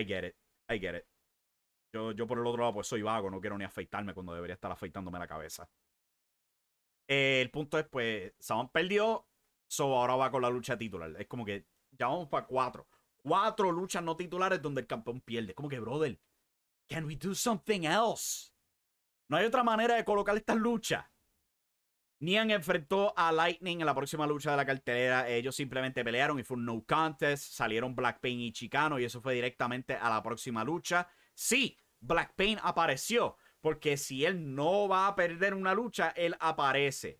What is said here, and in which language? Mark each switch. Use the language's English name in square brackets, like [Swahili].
[English] I get it. [Spanish] Yo por el otro lado pues soy vago. No quiero ni afeitarme cuando debería estar afeitándome la cabeza. El punto es pues Savant perdió. So ahora va con la lucha titular. Es como que ya vamos para cuatro. Cuatro luchas no titulares donde el campeón pierde. Como que brother. [English] Can we do something else? [Spanish] No hay otra manera de colocar esta lucha. Nian enfrentó a Lightning en la próxima lucha de la cartelera. Ellos simplemente pelearon y fue un no contest. Salieron Blackpain y Chicano y eso fue directamente a la próxima lucha. Sí, Blackpain apareció. Porque si él no va a perder una lucha, él aparece.